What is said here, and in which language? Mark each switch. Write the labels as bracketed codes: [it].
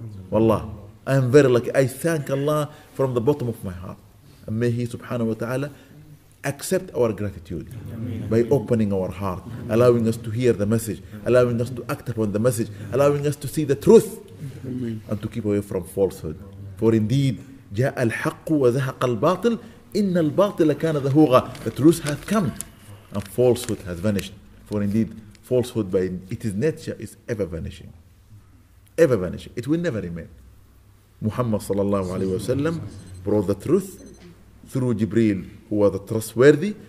[en] Wallah, I am very lucky. I thank Allah from the bottom of my heart. And may He subhanahu wa ta'ala accept our gratitude by opening our heart, allowing us to hear the message, allowing us to act upon the message, allowing us to see the truth and to keep away from falsehood. For indeed, [ar] جاء الحق وزهق الباطل إن الباطل كان ذهوغا. [en] The truth has come and falsehood has vanished. For indeed, falsehood by its nature is ever vanishing. Ever vanish. It will never remain. Muhammad sallallahu alayhi wa sallam brought the truth through Jibreel, who was the trustworthy,